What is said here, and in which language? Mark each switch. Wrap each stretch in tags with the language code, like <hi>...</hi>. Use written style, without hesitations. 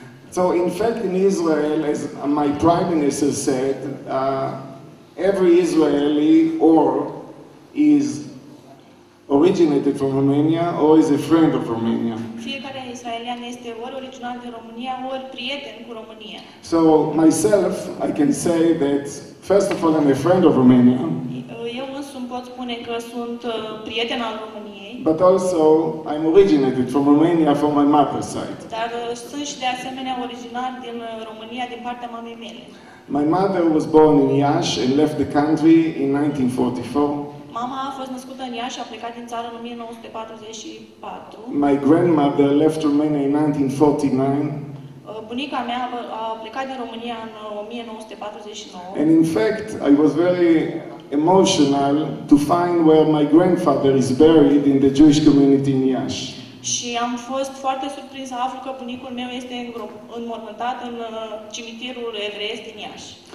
<en>So in fact in Israel, as my prime minister said, every Israeli or is originated from Romania or is a friend of Romania.</en> <ro>Fiecare israelian israelian este ori original din România, ori prieten cu România.</ro> <en>So myself, I can say that first of all I'm a friend of Romania.</en> <ro>Eu însumi pot spune că sunt prieten al României.</ro> <en>But also I'm originated from Romania from my mother's side.</en> <ro>Dar sunt și de asemenea original din România din partea mamei mele.</ro> <en>My mother was born in Iași and left the country in 1944.</en> <ro>Mama a fost născută în Iași și a plecat din țară în 1944.</ro> <en>My grandmother left Romania in 1949.</en> <ro>Bunica mea a plecat din România în 1949.</ro> <en>And in fact, I was very emotional to find where my grandfather is buried in the Jewish community in Iași.</en> <ro>Și am fost foarte surprins să aflu că bunicul meu este înmormântat în cimitirul evreiesc din Iași.</ro>